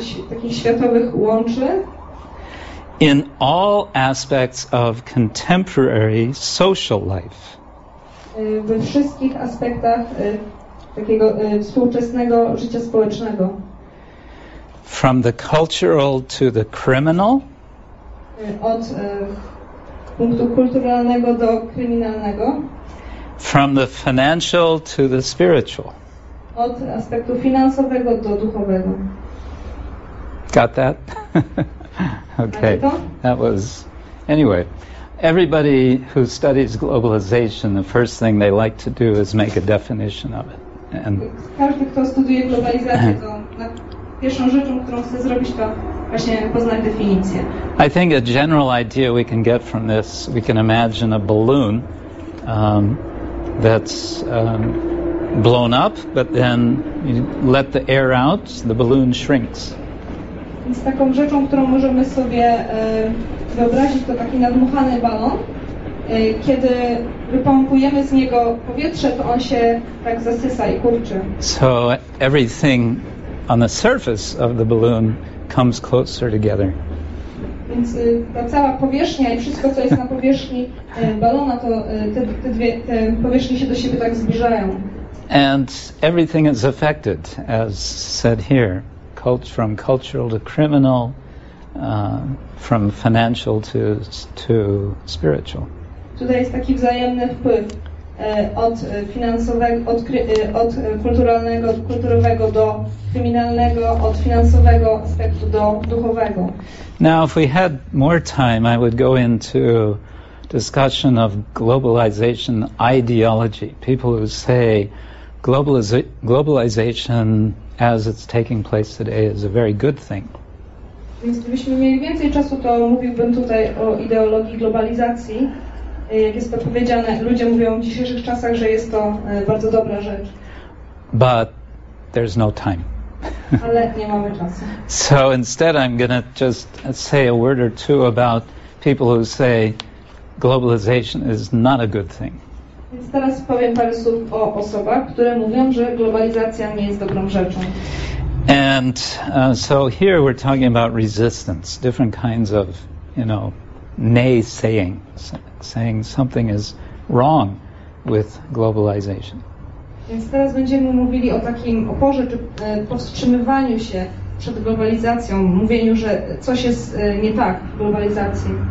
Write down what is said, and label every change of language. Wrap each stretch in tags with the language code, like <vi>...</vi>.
<pl>Takich światowych łączy.</pl> <en>In all aspects of contemporary social life.</en> <pl>We wszystkich aspektach takiego współczesnego życia społecznego.</pl> <en>From the cultural to the criminal.</en> <pl>Od punktu kulturalnego do kryminalnego.</pl> <en>From the financial to the spiritual.</en> <pl>Od aspektu finansowego do duchowego.</pl> <en>Got that? Okay. That was... Anyway, everybody who studies globalization, the first thing they like to do is make a definition of it.</en> <pl>And każdy, kto studiuje globalizację, to pierwszą rzeczą, którą chce zrobić, to właśnie poznać definicję.</pl> <en>I think a general idea we can get from this, we can imagine a balloon that's blown up, but then you let the air out, the balloon shrinks.</en> <pl>Więc taką rzeczą, którą możemy sobie wyobrazić, to taki nadmuchany balon. Kiedy wypompujemy z niego powietrze, to on się tak zasysa i kurczy.</pl> <en>So everything on the surface of the balloon comes closer together.</en> <pl>Więc ta cała powierzchnia i wszystko, co jest na powierzchni balona, to te powierzchnie się do siebie tak zbliżają.</pl> <en>And everything is affected, as said here. From cultural to criminal, from financial to spiritual.</en> <pl>Tutaj jest taki wzajemny wpływ od finansowego, od kulturalnego, od kulturowego do kryminalnego, od finansowego aspektu do duchowego.</pl> <en>Now, if we had more time, I would go into discussion of globalization ideology. People who say globalization as it's taking place today is a very good thing.</en> <pl>Więc gdybyśmy mieli więcej czasu, to mówiłbym tutaj o ideologii globalizacji. Jak jest to powiedziane, ludzie mówią w dzisiejszych czasach, że jest to bardzo dobra rzecz.</pl> <en>But there's no time.</en> <pl>Ale nie mamy czasu.</pl> <en>So instead I'm going to just say a word or two about people who say globalization is not a good thing.</en> <pl>Więc teraz powiem parę słów o osobach, które mówią, że globalizacja nie jest dobrą rzeczą.</pl> <en>And so here we're talking about resistance, different kinds of, you know, naysaying, saying something is wrong with globalization.</en> <pl>Więc teraz będziemy mówili o takim oporze czy powstrzymywaniu się przed globalizacją, mówieniu, że coś jest nie tak w globalizacji.</pl>